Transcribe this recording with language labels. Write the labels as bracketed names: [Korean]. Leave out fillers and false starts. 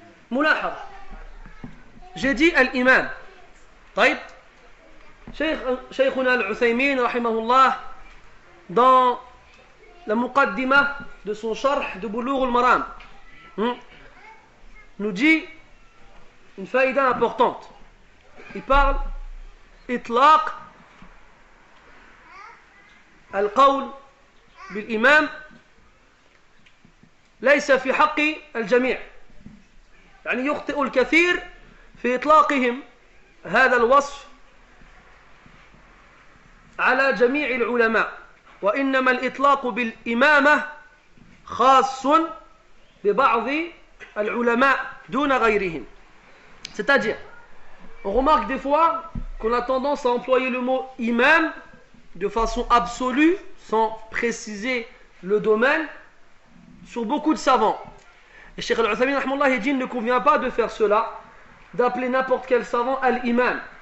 [French] Moulahab, j'ai dit al-Imam, طيب شيخنا العثيمين رحمه الله dans la muqaddima de son sharh de Bulugh al-Maram nous dit une faïda importante. Il parle [Arabic] itlaq al-qawl bil-imam laysa fi haqqi al-jami' يعني يخطئ الكثير في اطلاقهم هذا الوصف على جميع العلماء وإنما الإطلاق بالإمامة خاص ببعض العلماء دون غيرهم. [French] C'est-à-dire, on remarque des fois qu'on a tendance à employer le mot imam de façon absolue, sans préciser le domaine, sur beaucoup de savants. Et Cheikh Al-Uthaymin rahmallah dit, il ne convient pas de faire cela, d'appeler n'importe quel savant al-imam.